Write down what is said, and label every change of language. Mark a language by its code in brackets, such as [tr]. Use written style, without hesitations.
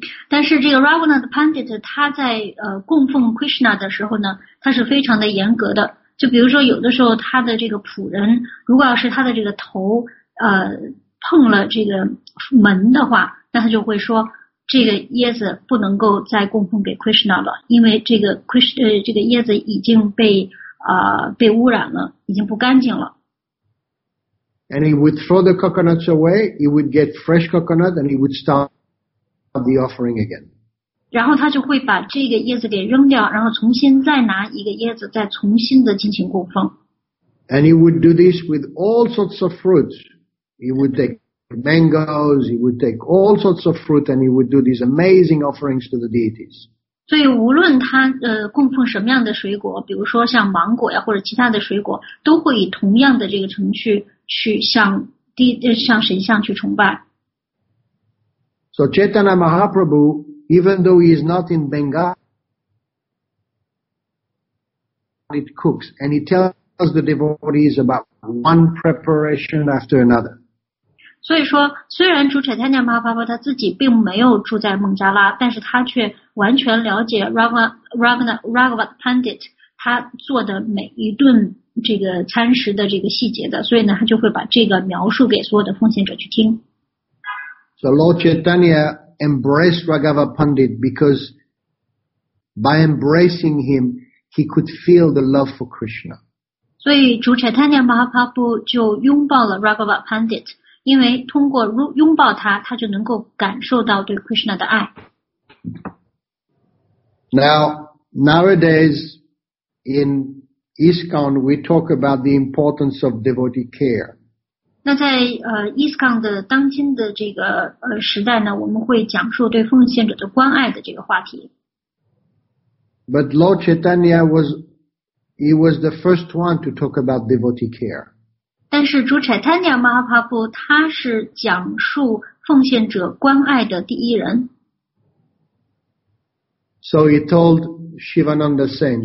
[zh] 但是这个 Ravana 的 Pandit 他在供奉 Krishna 的时候呢他是非常的严格的就比如说有的时候他的这个仆人如果要是他的这个头碰了这个门的话那他就会说这个椰子不能够再供奉给 Krishna 了因为这个 Krishna, 这个椰子已经被污染了已经不干净了 [en] And he would throw the coconuts away, he would get fresh coconut, and he would start the offering again. [zh] 然后他就会把这个椰子给扔掉然后重新再拿一个椰子再重新的进行供奉。 [en] And he would do this with all sorts of fruits. He would take mangoes, he would take all sorts of fruit, and he would do these amazing offerings to the deities. [zh] 所以无论他供奉什么样的水果比如说像芒果呀或者其他的水果都会以同样的这个程序去向神像去崇拜。 [en] So Chaitanya Mahaprabhu, even though he is not in Bengal, it cooks and he tells the devotees about one preparation after another. [zh] 所以说虽然主 Chaitanya Mahaprabhu 他自己并没有住在孟加拉但是他却完全了解 Raghava Pandit, 他做的每一顿这个餐食的这个细节的所以呢他就会把这个描述给所有的奉献者去听。 [en] So Lord Chaitanya embraced Raghava Pandit because by embracing him, he could feel the love for Krishna. [zh] 所以主 Chaitanya Mahaprabhu 就拥抱了 Raghava Pandit, 因为通过拥抱他他就能够感受到对 Krishna 的爱。 [en] Now, nowadays, in ISKCON, we talk about the importance of devotee care. [zh] 那在ISKCON 的当今的这个时代呢，我们会讲述对奉献者的关爱的这个话题。 [en] But Lord Chaitanya was the first one to talk about devotee care. [zh] 但是主 Chaitanya Mahaprabhu 他是讲述奉献者关爱的第一人。 [en] So he told Shivananda Sen.